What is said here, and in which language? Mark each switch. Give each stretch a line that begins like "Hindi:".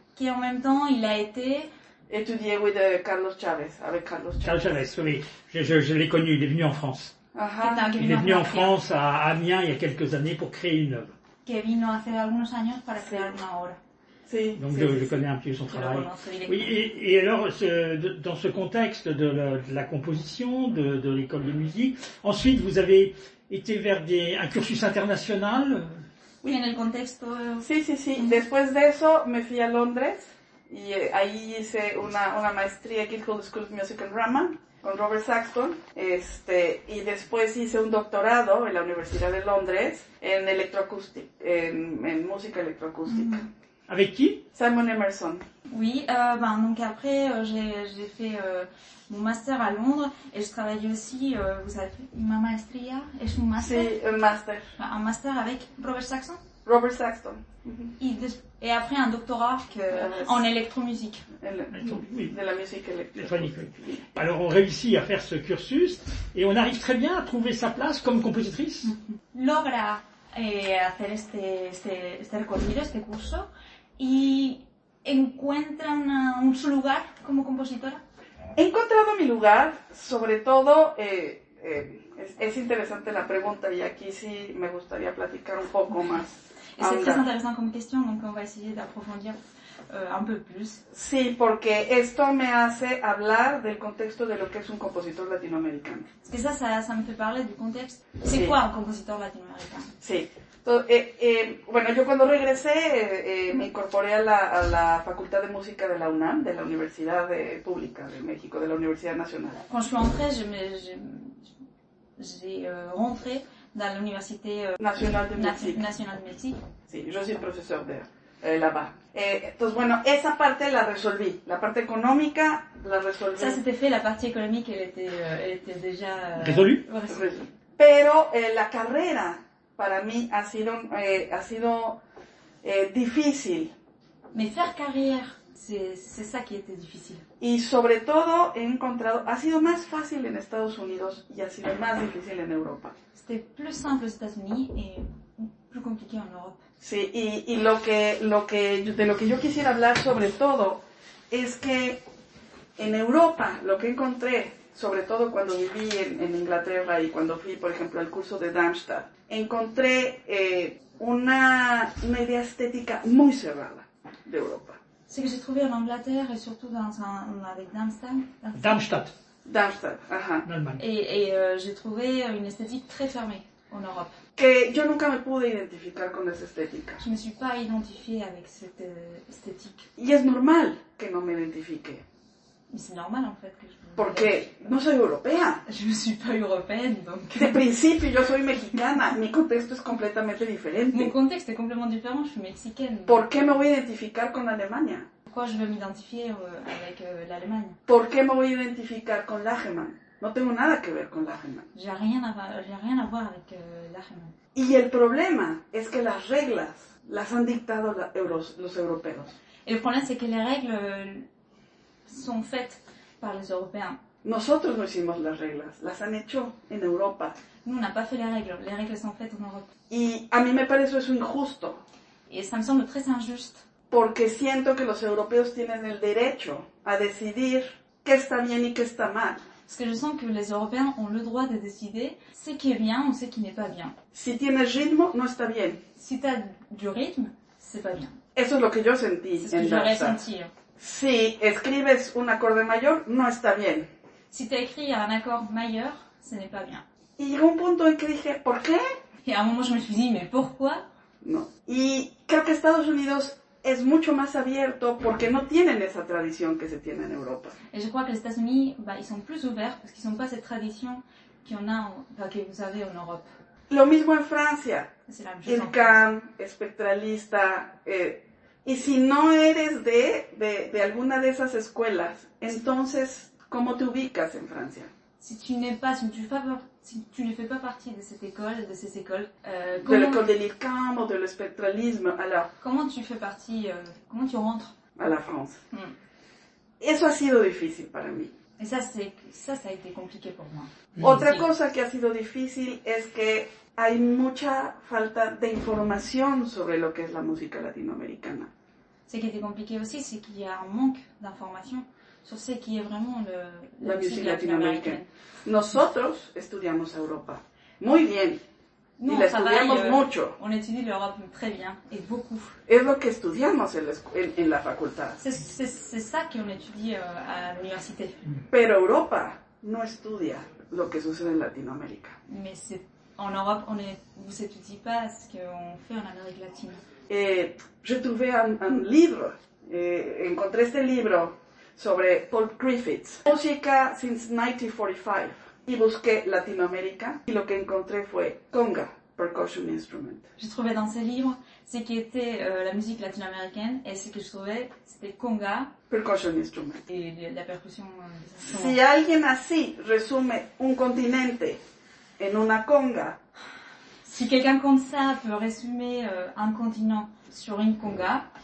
French: Qui en même temps, il a été... étudié, oui, Carlos Chávez, avec Carlos Chávez. Carlos Chávez, oui, je l'ai connu, il est venu en France. Uh-huh. Il est venu en France, à Amiens, il y a quelques années, pour créer une œuvre.
Spanish: Que vino hace algunos años para crear una obra. Si,
French: donc si, je connais un peu son travail. Oui, et alors, dans ce contexte de la composition, de l'école de musique, ensuite vous avez été vers un cursus international.
Spanish: Oui, en el contexto. Sí, sí, sí. Después de eso me fui a Londres y ahí hice una maestría, Guildhall School of Music and Drama, con Robert Saxton. Y después hice un doctorado en la Universidad de Londres en electroacústica, en música electroacústica.
French: Mm-hmm. ¿Avec qui? Simon Emerson. Oui, donc après j'ai fait mon master à Londres et je travaille aussi, vous avez
Spanish: ma maestría, es un master. Sí, un master.
French: Un master avec Robert Saxton. Robert Saxton. Mm-hmm. Et après un doctorat en électromusique. De la musique électronique. Alors on réussit à faire ce cursus et on arrive très bien à trouver sa place comme compositrice.
Spanish: Logra hacer este recorrido, este curso y ¿encuentra su lugar como compositora? He encontrado mi lugar, sobre todo, es interesante la pregunta y aquí sí me gustaría platicar un poco más. Es muy interesante como cuestión, así que vamos a intentar aprofundizar un poco más. Sí, porque esto me hace hablar del contexto de lo que es un compositor latinoamericano. Es que eso me hace hablar del contexto. Sí. ¿Qué es un compositor latinoamericano? Sí. Entonces, bueno, yo cuando regresé me incorporé a la Facultad de Música de la UNAM, de la Universidad Pública de México, de la Universidad Nacional. Cuando yo entré, rentré en la Universidad Nacional de México. Sí, yo soy profesor
French: de là-bas.
Spanish: Entonces, bueno, esa parte la resolví, la parte económica la resolví.
French: Ça c'était fait, la partie économique, elle était déjà résolue.
Spanish: Pero la carrera para mí ha sido difícil.
French: Mais faire carrière, c'est ça qui était difficile.
Spanish: Y sobre todo he encontrado, ha sido más fácil en Estados Unidos y ha sido más difícil en Europa.
French: C'était plus simple aux États-Unis et plus compliqué en Europe.
Spanish: Sí, y lo que yo quisiera hablar sobre todo es que en Europa lo que encontré, sobre todo cuando viví en Inglaterra y cuando fui, por ejemplo, al curso de Darmstadt, encontré una idea estética muy cerrada de Europa.
French: Ce que j'ai trouvé en Angleterre et surtout avec Darmstadt. Darmstadt. Darmstadt, ajá. Et j'ai trouvé une esthétique très fermée en Europe.
Spanish: Que yo nunca me pude identificar con esa estética.
French: Je me suis pas identifiée avec cette esthétique.
Spanish: Y es normal que no me identifique.
French: Mais c'est normal en fait que je...
Spanish: Porque no soy europea.
French: Je ne suis pas européenne, donc.
Spanish: De principio, yo soy mexicana. Mi contexto es completamente diferente.
French: Mon contexte est complètement différent. Je suis mexicaine.
Spanish: ¿Por qué me voy a identificar con Alemania?
French: Pourquoi je vais m'identifier avec l'Allemagne?
Spanish: ¿Por qué me voy a identificar con Lachenmann? No tengo nada que ver con Lachenmann.
French: J'ai rien à voir avec Lachenmann.
Spanish: Y el problema es que las reglas las han dictado los europeos.
French: Et le problème c'est que les règles sont faites par les Européens.
Spanish: Nosotros no hicimos las reglas, las han hecho en Europa.
French: Nous, on n'a pas fait les règles sont faites en Europe.
Spanish: Y a mí me parece eso injusto.
French: Et ça me semble très injuste.
Spanish: Porque siento que los europeos tienen el derecho a decidir qué está bien y qué está mal.
French: Parce que je sens que les Européens ont le droit de décider ce qui est bien ou ce qui n'est pas bien.
Spanish: Si tienes ritmo, no está bien.
French: Si t'as du rythme, c'est pas bien.
Spanish: Eso es lo que yo sentí en Darmstadt.
French: C'est ce que j'aurais senti.
Spanish: Si escribes un acorde mayor, no está bien.
French: Si t'as écrit un accord majeur, ce n'est pas bien.
Spanish: Y llegó un punto en que dije, ¿por qué?
French: Et à un moment, je me suis dit, mais pourquoi?
Spanish: No. Y creo que Estados Unidos es mucho más abierto porque no tienen esa tradición que se tiene en Europa.
French: Et je crois que les États-Unis, bah, ils sont plus ouverts parce qu'ils n'ont pas cette tradition que vous avez en Europe.
Spanish: Lo mismo en Francia.
French: C'est la même chose.
Spanish: Ilkan, espectralista, y si no eres de alguna de esas escuelas, entonces ¿cómo te ubicas en Francia?
French: Si tu n'es pas, si tu ne fais pas partie de cette école, de ces écoles, de l'école de l'Ircam ou de l'espectralisme, alors comment tu fais partie, comment tu rentres à la France?
Spanish: Eso ha sido difícil para mí.
French: Et ça a été compliqué pour moi.
Spanish: Otra cosa que ha sido difícil es que hay mucha falta de información sobre lo que es la música latinoamericana.
French: Ce qui était compliqué aussi, c'est qu'il y a un manque d'informations sur ce qui est vraiment la musique latinoamericaine.
Spanish: Nosotros estudiamos Europa. Muy bien. Nous, y la estudiamos mucho.
French: On étudie l'Europe très bien et beaucoup.
Spanish: Es lo que estudiamos en la facultad.
French: C'est ça que on étudie à l'université.
Spanish: Pero Europa no estudia lo que sucede en Latinoamérica.
French: Mais c'est en Europe, on ne vous étudie pas ce qu'on fait en Amérique latine. J'ai trouvé un livre.
Spanish: Encontré este libro sobre Paul Griffiths. Música since 1945. Y busqué Latinoamérica y lo que encontré fue conga,
English: percussion instrument.
French: J'ai trouvé dans ce livre ce qui était la musique latino-américaine et ce que je trouvais c'était conga,
English: percussion instrument.
French: Et la percussion.
Spanish: Si alguien así resume un continente en una conga.
French: Si quelqu'un comme ça peut résumer un continent sur une conga,